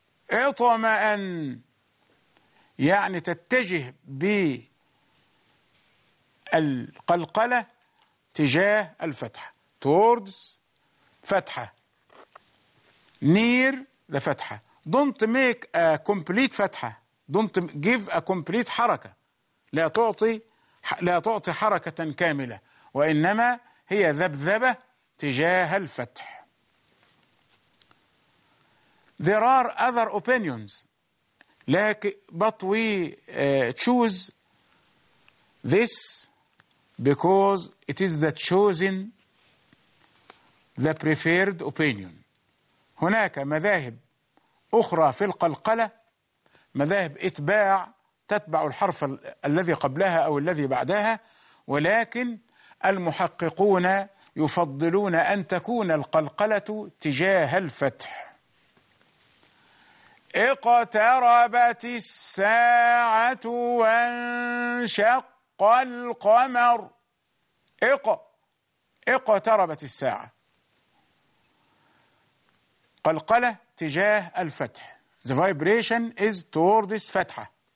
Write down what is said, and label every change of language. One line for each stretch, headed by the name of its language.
Arabic: اطمأن يعني تتجه بالقلقلة تجاه الفتحة.
English: towards فتحة. near the فتحة. don't make a complete فتحة. don't give a complete حركة.
Arabic: لا تعطي حركة كاملة، وإنما هي ذبذبة تجاه الفتح.
English: there are other opinions but we choose this because it is the chosen, the preferred opinion.
Arabic: هناك مذاهب أخرى في القلقلة، مذاهب إتباع تتبع الحرف الذي قبلها أو الذي بعدها، ولكن المحققون يفضلون أن تكون القلقلة تجاه الفتح. اقتربت الساعة وانشق القمر. اقتربت الساعة، قلقلة تجاه الفتح.
English: The vibration is towards فتحة.